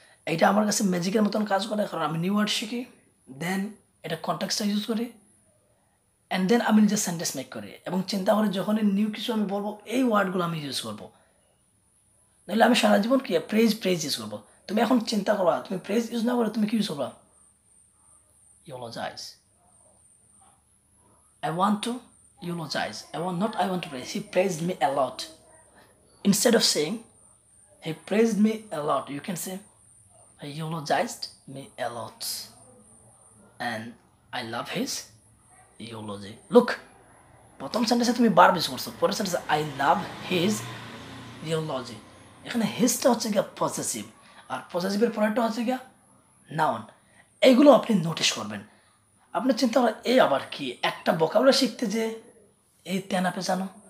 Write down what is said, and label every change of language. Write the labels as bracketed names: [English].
[Bangla] এইটা আমার কাছে ম্যাজিকের মতন কাজ করে, কারণ আমি নিউ ওয়ার্ড শিখি, দেন এটা কনটেক্সটা ইউজ করি, [English] and then [Bangla] আমি নিজের সেন্টেন্স মেক করি এবং চিন্তা করে যখনই নিউ কিছু আমি বলবো এই ওয়ার্ডগুলো আমি ইউজ করবো। নাহলে আমি সারা জীবন কী প্রেজ প্রেজ ইউজ করবো, তুমি এখন চিন্তা করো, তুমি প্রেজ ইউজ না করো তুমি কী ইউজ করবা? [English] Eulogize, I want to eulogize, I want not I want to praise, he praise me a lot. Instead of saying, he praised me a lot, you can say, he eulogized me a lot. And I love his eulogy. Look, [Bangla] প্রথম সেন্টেন্সে তুমি বার বেশি করছো, পরের সেন্টেন্সে [English] I love his eulogy. [Bangla] এখানে হিজটা হচ্ছে গিয়া পজেসিভ, আর পজেসিভের পরেরটা হচ্ছে গিয়া নাউন। এইগুলো আপনি নোটিস করবেন, আপনি চিন্তা করেন এই আবার কি, একটা বোকাবুলারি শিখতে যে এই তেনাপে জানো,